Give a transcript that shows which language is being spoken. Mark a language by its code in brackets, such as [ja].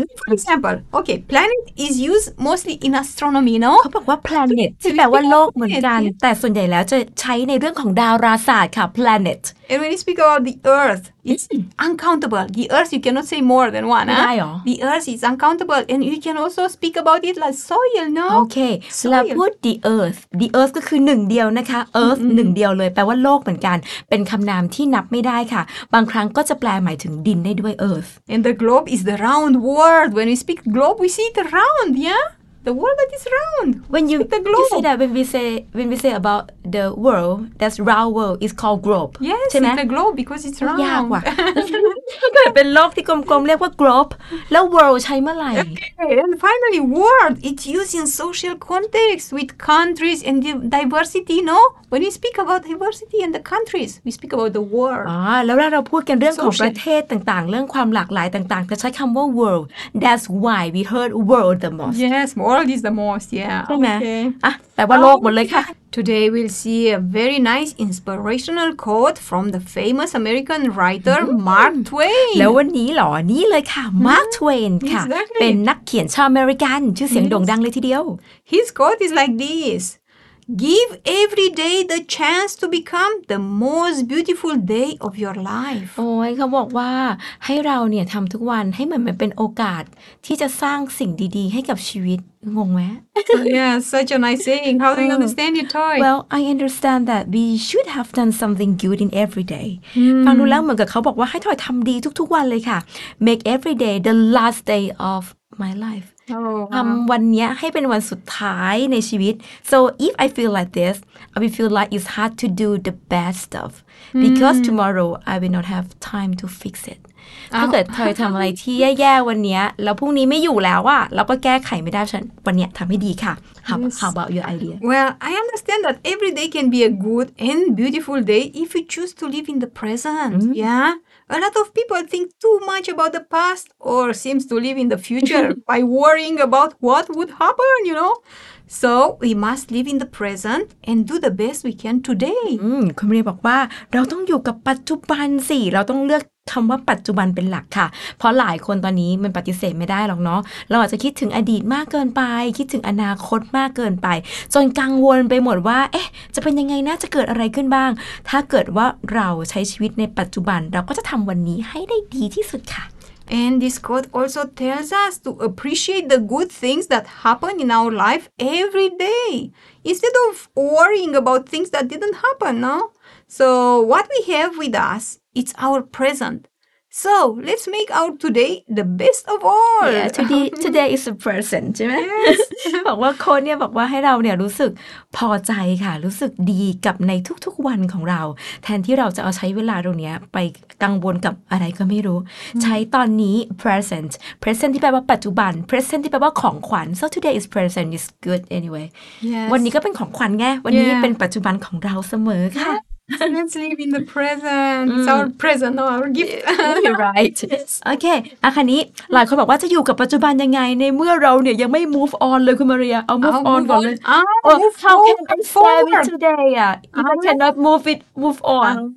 [en] for example okay planet is used mostly in astronomy no [th] เขาบอกว่า planet ที่แปลว่าโลกเหมือนกันแต่ส่วนใหญ่แล้วจะใช้ในเรื่องของดาราศาสตร์ค่ะ planet [en] and when you speak about the earth it's uncountable the earth you cannot say more than one [th] ไม่ได้หรอ [en] the earth is uncountable and you can also speak about it like soil no [th] okay เราพูด the earth ก็คือหนึ่งเดียวนะคะ earth หนึ่งเดียวเลยแปลว่าโลกเหมือนกันเป็นคำนามที่นับไม่ได้ค่ะบางครั้งก็จะแปลหมายถึงดินได้ด้วย earth [en] and the globe is the round world when we speak globe we see it round yeah the world that is round when you the globe. You see that when we say about the world that's round world is called globe yes it's the globe because it's round [th] ยากว่ะก็เป็นโลกที่กลมๆเรียกว่า globe แล้ว world ใช้เมื่อไหร่ [en] okay and finally world it's used in social context with countries and diversity no when we speak about diversity and the countries we speak about the world [th] แล้วเราพูดกันเรื่องของประเทศต่างๆเรื่องความหลากหลายต่างๆจะใช้คำว่า world [en] that's why we heard world the most yes world is the most yeah [th] okay แปลว่าโลกหมดเลยค่ะ [en] Today we'll see a very nice inspirational quote from the famous American writer Mark Twain. [th] แล้ววันนี้หรอนี่เลยค่ะ Mark Twain ค่ะ [en] exactly. [th] เป็นนักเขียนชาวอเมริกันชื่อเสียงโด่งดังเลยทีเดียว [en] His quote is like this: Give every day the chance to become the most beautiful day of your life. [th] โอ้ยเขาบอกว่าให้เราเนี่ยทำทุกวันให้มันเป็นโอกาสที่จะสร้างสิ่งดีๆให้กับชีวิตงงไหม [en] Yeah, such a nice saying. How do you understand it, Toy? Well, I understand that we should have done something good in every day. [th] ฟังดูแล้วเหมือนกับเขาบอกว่าให้ทอยทำดีทุกๆวันเลยค่ะ [en] Make every day the last day of my life. [th] ทำวันนี้ให้เป็นวันสุดท้ายในชีวิต [en] so if I feel like this I will feel like it's hard to do the bad stuff because tomorrow I will not have time to fix it [th] ถ้าเกิดเธอทำอะไรที่แย่ๆวันนี้แล้วพรุ่งนี้ไม่อยู่แล้วอ่ะเราก็แก้ไขไม่ได้ฉันวันนี้ทำให้ดีค่ะ [en] How about your idea Well I understand that every day can be a good and beautiful day if you choose to live in the present yeahA lot of people think too much about the past or seems to live in the future by worrying about what would happen, you know? So we must live in the present and do the best we can today. [th] คุณเรียบอกว่าเราต้องอยู่กับปัจจุบันสิเราต้องเลือกคำว่าปัจจุบันเป็นหลักค่ะเพราะหลายคนตอนนี้มันปฏิเสธไม่ได้หรอกเนาะเราอาจจะคิดถึงอดีตมากเกินไปคิดถึงอนาคตมากเกินไปจนกังวลไปหมดว่าเอ๊ะจะเป็นยังไงนะจะเกิดอะไรขึ้นบ้างถ้าเกิดว่าเราใช้ชีวิตในปัจจุบันเราก็จะทำวันนี้ให้ได้ดีที่สุดค่ะ [en] And this quote also tells us to appreciate the good things that happen in our life every day, instead of worrying about things that didn't happen, no? So what we have with us, it's our present. So let's make our today the best of all. Yeah, today is a present, right? Yes. [th] บอกว่าโค้ชเนี่ยบอกว่าให้เราเนี่ยรู้สึกพอใจค่ะรู้สึกดีกับในทุกๆวันของเราแทนที่เราจะเอาใช้เวลาตรงนี้ไปกังวลกับอะไรก็ไม่รู้ mm-hmm. ใช้ตอนนี้ present ที่แปลว่าปัจจุบัน present ที่แปลว่าของขวัญ [en] so today is present is good anyway yes. [th] วันนี้ก็เป็นของขวัญไงวันนี้ yeah. เป็นปัจจุบันของเราเสมอค่ะ [en] Let's live in the present. It's our present, not our gift. You're right. Okay. [th] คราวนี้หลายคนบอกว่าจะอยู่กับปัจจุบันยังไงในเมื่อเราเนี่ยยังไม่ move on เลยคุณมาเรียเอา move on ก่อนเลย [en] How can I stay with today? If I cannot move it, move on.